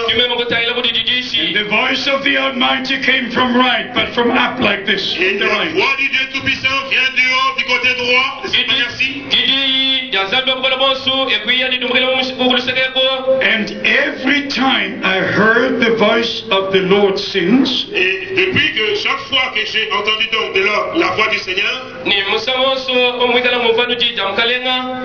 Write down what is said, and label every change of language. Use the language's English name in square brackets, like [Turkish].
[English] And the voice of the Almighty came from right, but from up like this. [French] Et la voix du Dieu Tout-Puissant vient du haut, du côté droit. Merci. [English] And every time I heard the voice of the Lord sings, [French] et depuis que chaque fois que j'ai entendu donc de là la voix du Seigneur,